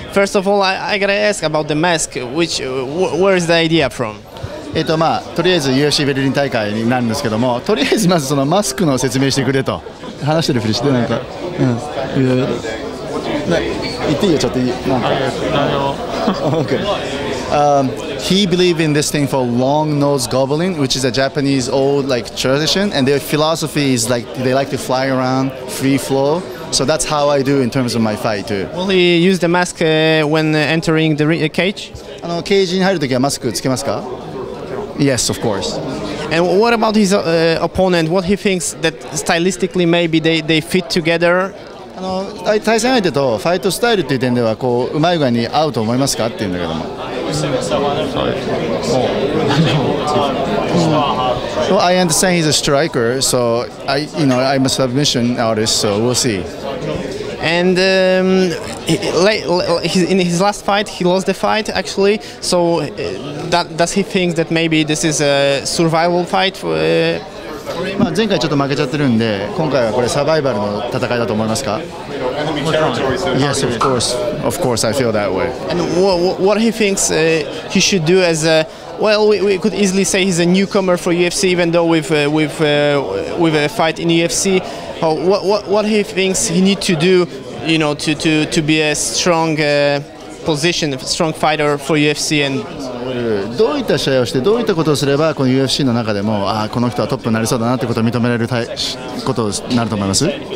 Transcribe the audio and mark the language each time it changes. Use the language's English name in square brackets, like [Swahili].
[English] First of all, I gotta ask about the mask. Which, where is the idea from? [Japanese] まあ、とりあえず UFC ベルリン大会になるんですけども、とりあえずまずそのマスクの説明してくれと話してるふりしてなんか、うん、言っていいよちょっとなんか。 [English] Okay. He believed in this thing for long nose goblin, which is a Japanese old like tradition, and their philosophy is like they like to fly around free flow. So that's how I do in terms of my fight too. Will he use the mask when entering the cage? [Japanese] あのケージに入るときはマスクつけますか？ [English] Yes, of course. And what about his opponent? What he thinks that stylistically maybe they fit together? [Japanese] あの対戦相手とファイトスタイルっていう点ではこううまい具合に合うと思いますかっていうんだけども。 [English] Well, I understand he's a striker, so I, you know, I'm a submission artist, so we'll see. And in his last fight, he lost the fight actually. So that, does he think that maybe this is a survival fight? [Japanese] まあ前回ちょっと負けちゃってるんで、今回はこれサバイバルの戦いだと思いますか？ [English] Yes, of course. Of course, I feel that way. And what he thinks he should do as a well, we could easily say he's a newcomer for UFC, even though we've a fight in UFC. What he thinks he need to do, you know, to be a strong position, a strong fighter for UFC and. [Japanese] どういった試合をしてどういったことをすればこの UFC の中でもあこの人はトップになりそうだなってことを認められることになると思います？